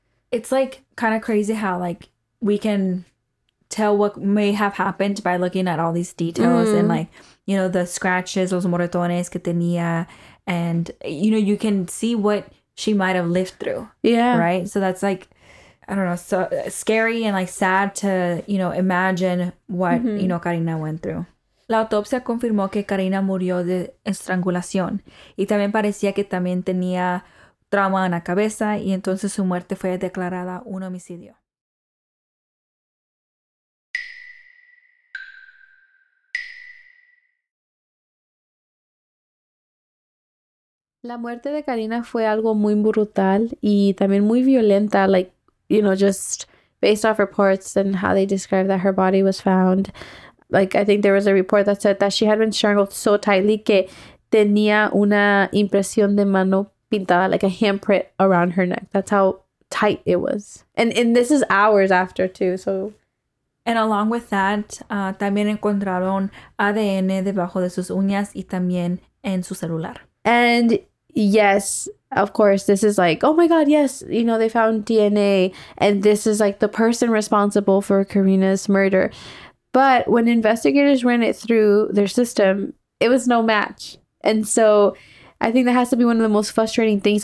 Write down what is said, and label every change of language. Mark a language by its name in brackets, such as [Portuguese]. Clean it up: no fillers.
[English] It's like kind of crazy how like we can tell what may have happened by looking at all these details and like, you know, the scratches, [Spanish] los moretones que tenía, [English] and you know, you can see what she might have lived through. Yeah. Right? So that's like, I don't know, so scary and like sad to, you know, imagine what, you know, Karina went through. [Spanish] La autopsia confirmó que Karina murió de estrangulación y también parecía que también tenía trauma en la cabeza y entonces su muerte fue declarada un homicidio. [English] La muerte de Karina fue algo muy brutal y también muy violenta, like, you know, just based off reports and how they described that her body was found. Like, I think there was a report that said that she had been strangled so tightly [Spanish] que tenía una impresión de mano pintada, [English] like a handprint around her neck. That's how tight it was. And this is hours after, too, so. And along with that, [Spanish] también encontraron ADN debajo de sus uñas y también en su celular. [English] And yes, of course, this is like, oh my God, yes, you know, they found DNA and this is like the person responsible for Karina's murder. But when investigators ran it through their system, it was no match. And so I think that has to be one of the most frustrating things.